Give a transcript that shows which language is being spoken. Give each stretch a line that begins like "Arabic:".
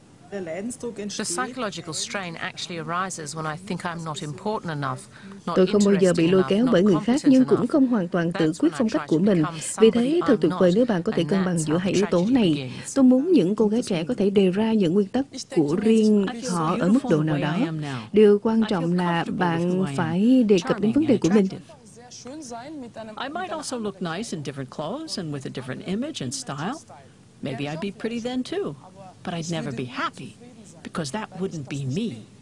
English: The psychological strain actually arises when I think I'm not important enough.
Vietnamese: Tôi không bao giờ bị lôi kéo bởi người khác, nhưng cũng không hoàn toàn tự quyết phong cách của mình. Vì thế, thật tuyệt vời nếu bạn có thể cân bằng giữa hai yếu tố này. Tôi muốn những cô gái trẻ có thể đề ra những nguyên tắc của riêng họ ở mức độ nào đó. Điều quan trọng là bạn phải đề cập đến vấn đề của mình.
English: I might also look nice in different clothes and with a different image and style. Maybe I'd be pretty then too. But I'd never be happy, because that wouldn't be me.